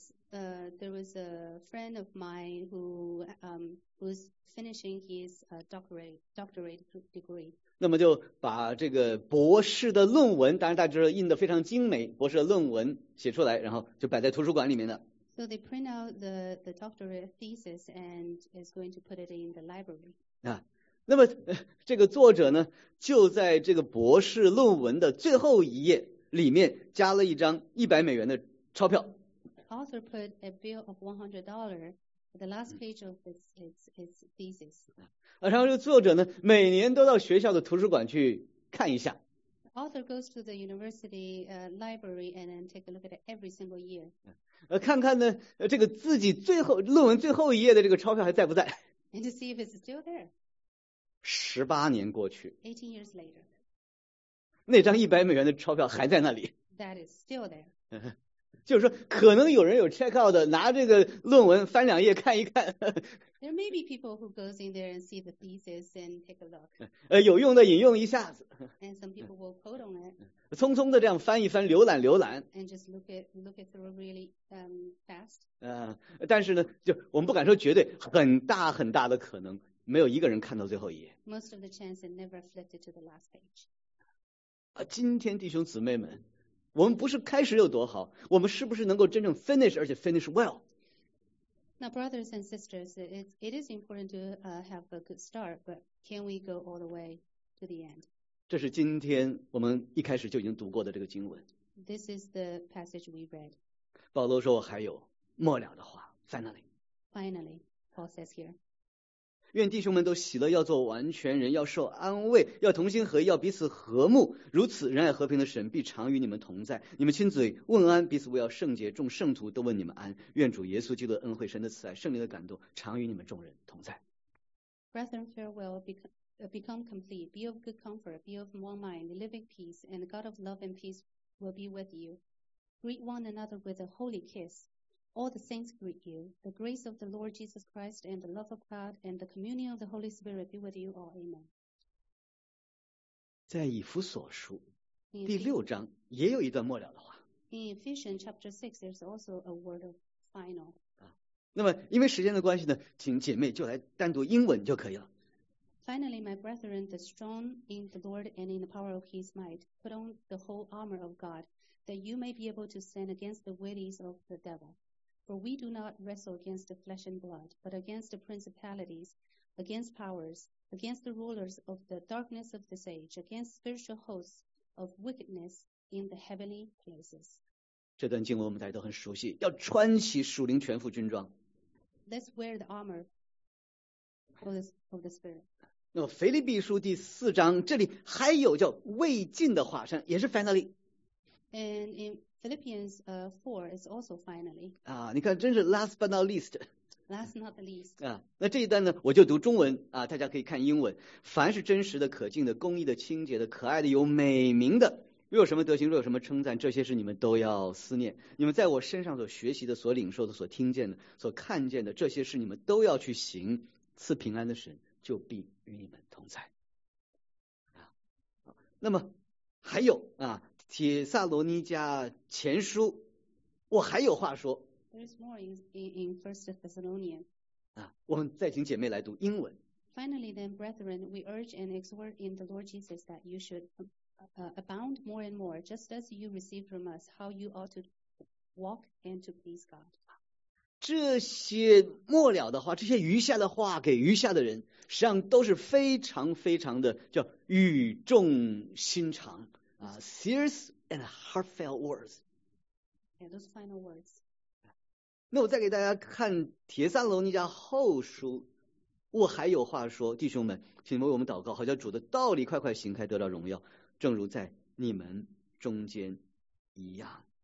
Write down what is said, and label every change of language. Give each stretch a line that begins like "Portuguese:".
English: There was a friend of mine who was finishing his doctorate degree.
Chinese: 那么就把这个博士的论文，当然大家知道印得非常精美，博士的论文写出来，然后就摆在图书馆里面的。
English: So they print out the doctorate thesis and is going to put it in the library.
Chinese: 啊，那么这个作者呢，就在这个博士论文的最后一页里面加了一张$100的钞票。
English: Author put a bill of $100 for the last page of his thesis.
Chinese: 然后这个作者呢，每年都到学校的图书馆去看一下。
English: The author goes to the university library and then take a look at it every single year.
Chinese: 看看呢，这个自己最后论文最后一页的这个钞票还在不在
English: ？And to see if it's still there.
Chinese: 18年过去。
English: 18 years later.
Chinese: 那张$100的钞票还在那里。
English: That is still there.
Chinese: 就是说可能有人有
English: check out
Chinese: 的拿这个论文翻两页看一看。
English: There may be people who goes in there and see the thesis and take a look.
Chinese: 有用的引用一下子。
English: And some people will quote on it.
Chinese: 匆匆的这样翻一翻浏览浏览。
English: And just look it through really fast.
Chinese: 但是呢就我们不敢说绝对很大很大的可能没有一个人看到最后一页。
English: Most of the chance it never flipped it to the last page.
Chinese: 今天弟兄姊妹们我们不是开始有多好，我们是不是能够真正 finish 而且
English: finish well？ Now, brothers and sisters, it is important to have a good start, but can we go all the way to the end?
Chinese: 这是今天我们一开始就已经读过的这个经文。
English: This is the passage we read.
Chinese: 保罗说：“我还有末了的话。”
English: Finally. Finally, Paul says here.
Chinese: 愿弟兄们都喜乐，要做完全人，要受安慰，要同心合意，要彼此和睦。如此仁爱和平的神必常与你们同在。你们亲嘴问安，彼此为要圣洁，众圣徒都问你们安。愿主耶稣基督的恩惠、神的慈爱、圣灵的感动常与你们众人同在。
English: Brethren, farewell, become complete, be of good comfort, be of one mind, the living peace, and the God of love and peace will be with you. Greet one another with a holy kiss. All the saints greet you. The grace of the Lord Jesus Christ and the love of God and the communion of the Holy Spirit be with you all. Amen.
Chinese: 在以弗所书第六章也有一段末了的话。
English: In Ephesians chapter 6, there's also a word of final.
Chinese: 那么因为时间的关系呢，请姐妹就来单读英文就可以了。
English: Finally, my brethren, the strong in the Lord and in the power of his might, put on the whole armor of God, that you may be able to stand against the wiles of the devil. For we do not wrestle against the flesh and blood, but against the principalities, against powers, against the rulers of the darkness of this age, against spiritual hosts of wickedness in the heavenly places.
Chinese: 这段经文我们大家都很熟悉，要穿起属灵全副军装。
English: Let's wear the armor of the spirit.
Chinese: 那么腓立比书第四章，这里还有叫未尽的话，也是 finally。
English: And in Philippians 4 is also finally.
Chinese: 啊，你看，真是
English: last but not least. Last not the least.
Chinese: 啊，那这一段呢，我就读中文啊，大家可以看英文。凡是真实的、可敬的、公义的、清洁的、可爱的、有美名的，若有什么德行，若有什么称赞，这些是你们都要思念。你们在我身上所学习的、所领受的、所听见的、所看见的，这些是你们都要去行。赐平安的神就必与你们同在。啊，那么还有啊。帖撒罗尼迦前书我还有话说
English: There's more in First Thessalonians
Chinese: 啊，我们再请姐妹来读英文
English: Finally then brethren we urge and exhort in the Lord Jesus that you should abound more and more just as you received from us how you ought to walk and to please God
Chinese: 这些末了的话这些余下的话给余下的人实际上都是非常非常的叫语重心长
English: serious and heartfelt words. Yeah, those final words.
Chinese: 那我再给大家看帖撒罗尼迦后书，我还有话说，弟兄们，请为我们祷告，好叫主的道理快快行开，得到荣耀，正如在你们中间一样。